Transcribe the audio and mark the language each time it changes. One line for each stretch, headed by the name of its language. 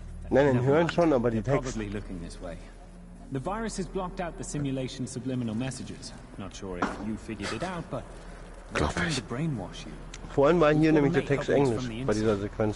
German: Nein, hören schon, aber die Text.
English: The virus has blocked out the simulation subliminal messages. Not sure if you figured it out, but
German: glaube ich.
English: Brainwash you.
German: Vorhin war hier nämlich der Text Englisch bei dieser Sequenz.